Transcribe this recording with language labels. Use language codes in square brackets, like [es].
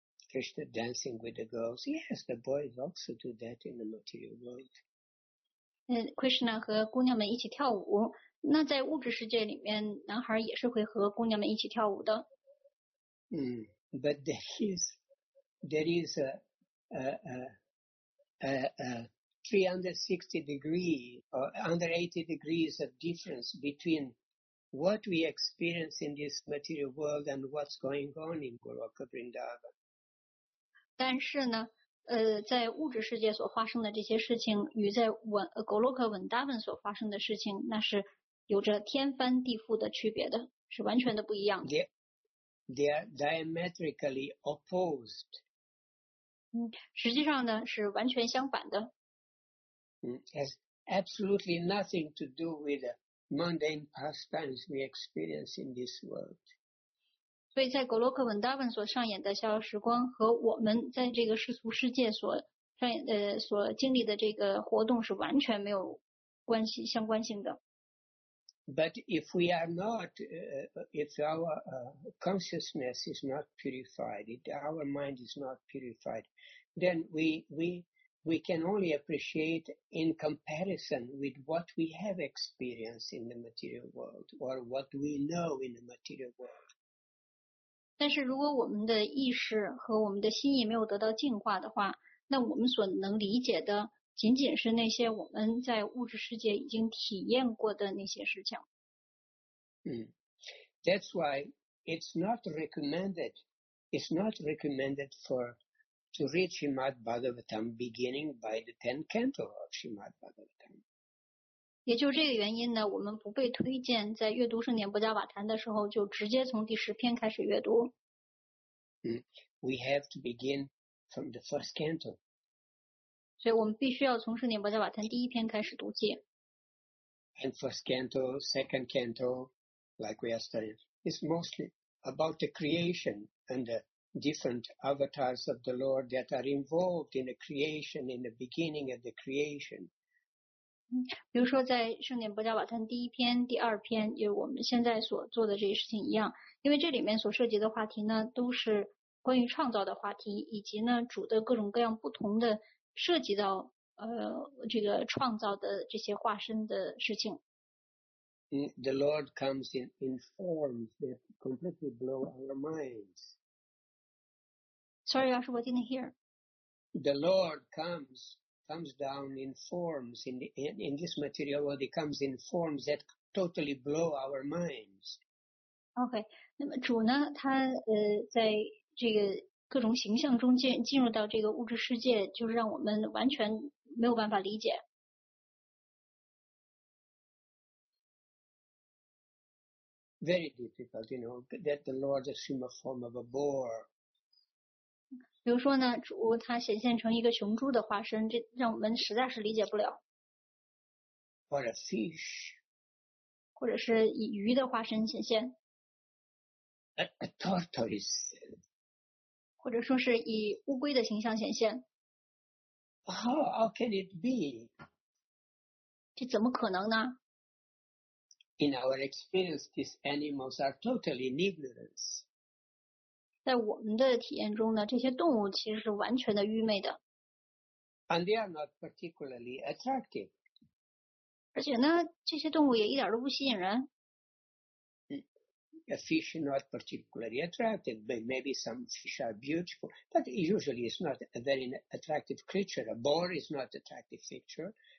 [en] Krishna dancing with the girls, yes, the boys also do that in the material world. [zh] Krishna 和姑娘们一起跳舞，那在物质世界里面，男孩也是会和姑娘们一起跳舞的。 [en] But there is a 360 degree or under 80 degrees of difference between what we experience in this material world and what's going on in Goloka Vrindavan. [zh] 但是呢，在物质世界所发生的这些事情与在Goloka Vrindavan所发生的事情，那是有着天翻地覆的区别的，是完全的不一样的。 [en] They are diametrically opposed. [zh] 实际上呢是完全相反的。 [en] Has absolutely nothing to do with mundane pastimes we experience in this world. [zh] 所以在格洛克文达文所上演的逍遥时光和我们在这个世俗世界所经历的这个活动是完全没有关系相关性的。 [en] But if we are not, if our consciousness is not purified, if our mind is not purified, then we can only appreciate in comparison with what we have experienced in the material world or what we know in the material world. [zh] 但是如果我们的意识和我们的心意没有得到净化的话，那我们所能理解的仅仅是那些我们在物质世界已经体验过的那些事情。 [en] That's why it's not recommended to read Srimad Bhagavatam beginning by the 10th canto of Srimad Bhagavatam. [zh] 也就这个原因呢，我们不被推荐在阅读圣典波迦瓦坛的时候就直接从第十篇开始阅读。 [en] We have to begin from the first canto. [zh] 所以我们必须要从圣典波迦瓦坛第一篇开始读起。 [en] And first canto, second canto, like we are studying, is mostly about the creation and the different avatars of the Lord that are involved in the creation, in the beginning of the creation. [zh] 比如说在圣典波迦瓦坛第一篇、第二篇，就是我们现在所做的这些事情一样，因为这里面所涉及的话题呢，都是关于创造的话题，以及呢主的各种各样不同的。涉及到这个创造的这些化身的事情。 [en] The Lord comes in forms that completely blow our minds. Sorry, Yashua, I didn't hear. The Lord comes down in forms in this material world. He comes in forms that totally blow our minds. [zh] Okay, 那么主呢？他在这个。各种形象中进入到这个物质世界，就是让我们完全没有办法理解。 [en] Very difficult, you know, that the Lord assume a form of a boar. [zh] 比如说呢，主他显现成一个雄猪的化身，这让我们实在是理解不了。 [en] Or a fish. [zh] 或者是以鱼的化身显现。 [en] A tortoise. [zh] 或者说是以乌龟的形象显现。 [en] How can it be? [zh] 这怎么可能呢？ [en] In our experience, these animals are totally in ignorance. [zh] 在我们的体验中呢，这些动物其实是完全的愚昧的。 [en] And they are not particularly attractive. [zh] 而且呢，这些动物也一点都不吸引人。 [en] A fish not particularly attractive, but maybe some fish are beautiful, but usually it's not a very attractive creature. A boar is not an attractive creature.